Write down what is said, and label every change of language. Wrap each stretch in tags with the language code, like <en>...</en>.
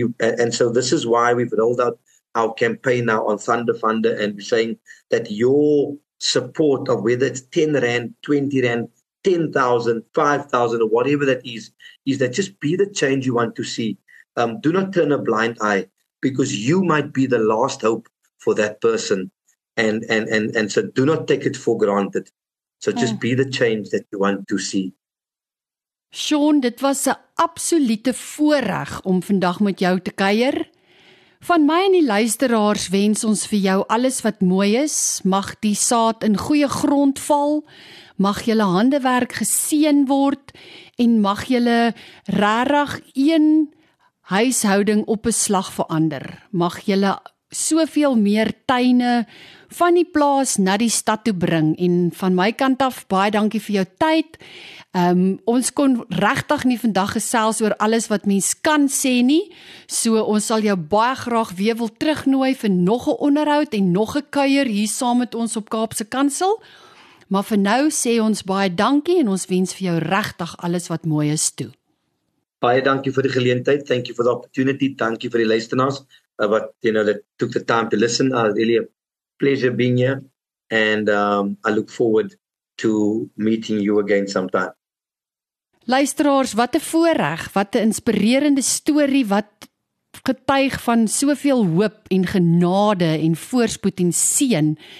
<en>And so this is why we've rolled out our campaign now on Thunder Funder, and saying that your support of whether it's 10 Rand, 20 Rand, 10,000, 5,000, or whatever that is that just be the change you want to see. Do not turn a blind eye, because you might be the last hope for that person. And so do not take it for granted. So just be the change that you want to see.</en> <af>Sean, dit was 'n absolute voorreg om vandag met jou te kuier. Van my en die luisteraars wens ons vir jou alles wat mooi is. Mag die saad in goeie grond val. Mag julle handewerk geseën word en mag julle regtig een huishouding op 'n slag verander. Mag julle soveel meer tuine van die plaas na die stad toe bring. En van my kant af, baie dankie vir jou tyd. Ons kon regtig nie vandag gesels oor alles wat mens kan sê nie, so ons sal jou baie graag weer wil terugnooi vir nog 'n onderhoud en nog 'n kuier hier saam met ons op Kaapse Kansel. Maar vir nou sê ons baie dankie en ons wens vir jou regtig alles wat mooi is toe. Baie dankie vir die geleentheid.</af> <en>Thank you for the opportunity.</en> <af>Dankie vir die luisteraars wat,</af> <en>you know, that took the time to listen. Really a pleasure being here, and I look forward to meeting you again sometime.</en> <af>Luisteraars, wat 'n voorreg, wat 'n inspirerende storie, wat getuig van soveel hoop en genade en voorspoed en seën.</af>